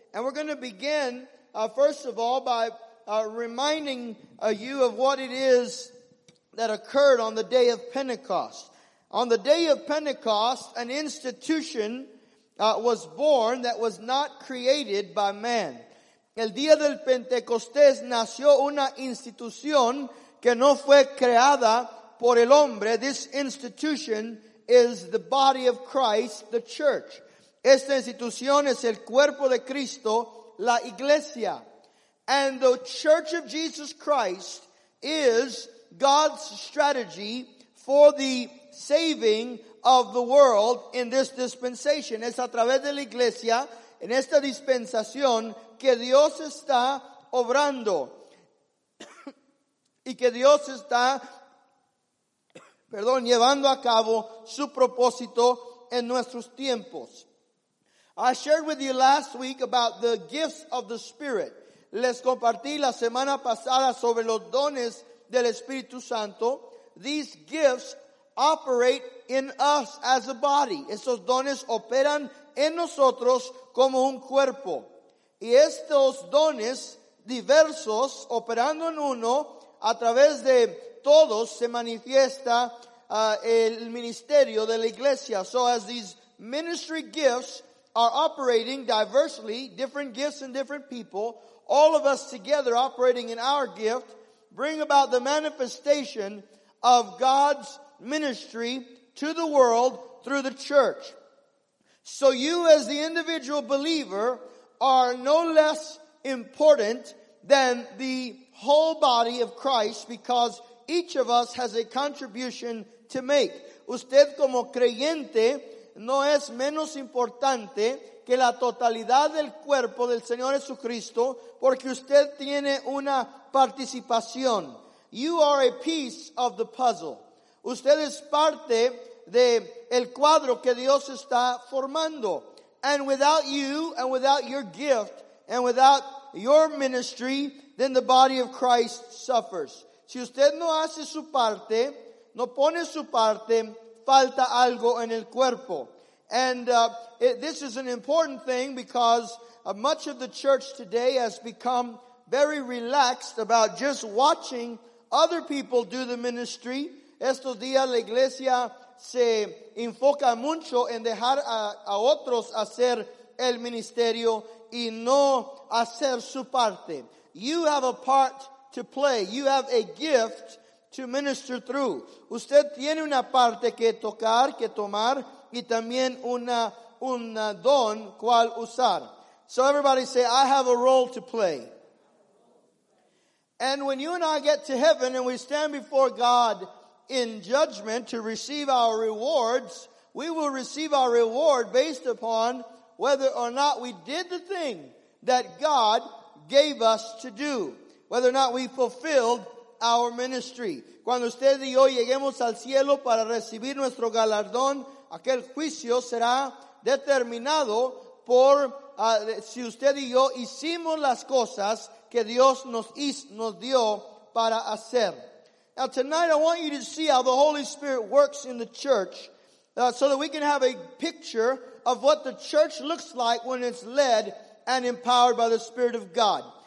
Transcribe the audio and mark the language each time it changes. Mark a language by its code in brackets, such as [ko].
[en] And we're going to begin, first of all, by reminding you of what it is that occurred on the day of Pentecost. On the day of Pentecost, an institution was born that was not created by man. [es] El día del Pentecostés nació una institución que no fue creada por el hombre. [en] This institution is the body of Christ, the church. [es] Esta institución es el cuerpo de Cristo, la iglesia. [en] And the church of Jesus Christ is God's strategy for the saving of the world in this dispensation. [es] Es a través de la iglesia, en esta dispensación, que Dios está obrando. Y que Dios está, perdón, llevando a cabo su propósito en nuestros tiempos. [en] I shared with you last week about the gifts of the Spirit. [es] Les compartí la semana pasada sobre los dones del Espíritu Santo. [en] These gifts operate in us as a body. [es] Esos dones operan en nosotros como un cuerpo. Y estos dones diversos operando en uno a través de todos se manifiesta el ministerio de la iglesia. [en] So as these ministry gifts are operating diversely, different gifts in different people, all of us together operating in our gift, bring about the manifestation of God's ministry to the world through the church. So you as the individual believer are no less important than the whole body of Christ, because each of us has a contribution to make. [es] Usted como creyente no es menos importante que la totalidad del cuerpo del Señor Jesucristo, porque usted tiene una participación. [en] You are a piece of the puzzle. [es] Usted es parte de el cuadro que Dios está formando. [en] And without you, and without your gift, and without your ministry, then the body of Christ suffers. [es] Si usted no hace su parte, no pone su parte, falta algo en el cuerpo. [en] And this is an important thing because much of the church today has become very relaxed about just watching other people do the ministry. [es] Estos días la iglesia se enfoca mucho en dejar a otros hacer el ministerio y no hacer su parte. [en] You have a part to play. You have a gift to minister through. [es] Usted tiene una parte que tocar, que tomar, y también una don cual usar. [en] So everybody say, I have a role to play. And when you and I get to heaven and we stand before God in judgment to receive our rewards, we will receive our reward based upon whether or not we did the thing that God gave us to do, whether or not we fulfilled our ministry. [es] Cuando usted y yo lleguemos al cielo para recibir nuestro galardón, aquel juicio será determinado por si usted y yo hicimos las cosas que Dios nos dio para hacer. [en] Now tonight I want you to see how the Holy Spirit works in the church so that we can have a picture of what the church looks like when it's led and empowered by the Spirit of God.